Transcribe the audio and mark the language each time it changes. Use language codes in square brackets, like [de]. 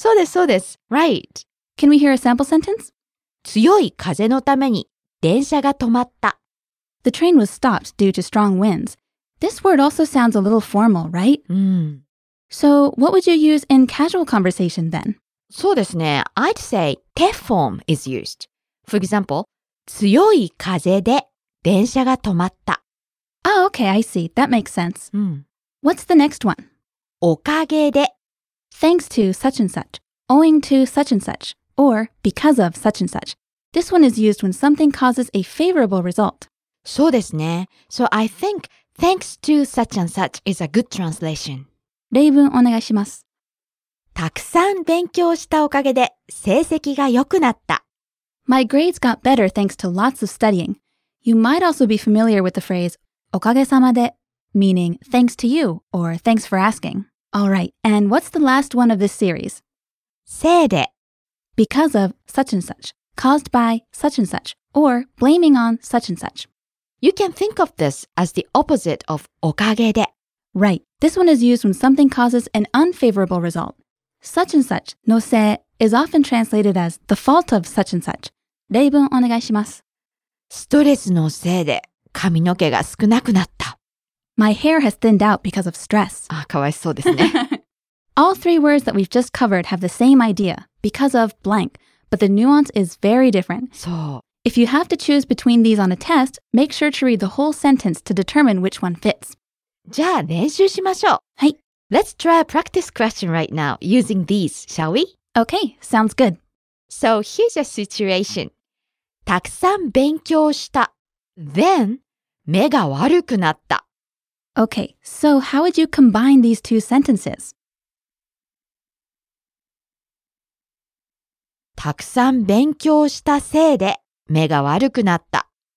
[ja] そうです、そうです。 [en] Right. Can we hear a sample sentence? [ja] 強い風のために電車が止まった。 [en] The train was stopped due to strong winds. This word also sounds a little formal, right? So, what would you use in casual conversation then? [ja] そうですね。 [en] I'd say the form is used. For example, [ja] 強い風で電車が止まった。 [en] Oh, okay, I see. That makes sense. What's the next one? [ja] おかげで。 [en] Thanks to such and such, owing to such and such, or because of such and such. This one is used when something causes a favorable result. [ja] そうですね。 [en] So I think thanks to such and such is a good translation. [ja] 例文お願いします。たくさん勉強したおかげで成績が良くなった。 [en] My grades got better thanks to lots of studying. You might also be familiar with the phrase [ja] おかげさまで, [en] meaning thanks to you or thanks for asking. All right, and what's the last one of this series? [ja] せいで. [en] Because of such and such, caused by such and such, or blaming on such and such. You can think of this as the opposite of おかげで. Right, this one is used when something causes an unfavorable result. Such and such のせいis often translated as the fault of such and such. [ja] 例文お願いします。ストレスのせいで髪の毛が少なくなった。 [en] My hair has thinned out because of stress. [ja] Ah, かわいそうですね。 [en] All three words that we've just covered have the same idea, because of blank, but the nuance is very different. [ja] そう。 [en] If you have to choose between these on a test, make sure to read the whole sentence to determine which one fits. [ja] じゃあ練習しましょう。はい。 [en] Let's try a practice question right now using these, shall we? Okay, sounds good. So here's a situation. [ja] たくさん勉強した。 Then, 目が悪くなった。 [en] Okay, so how would you combine these two sentences? [ja] たくさん勉強したせいで目が悪くなった。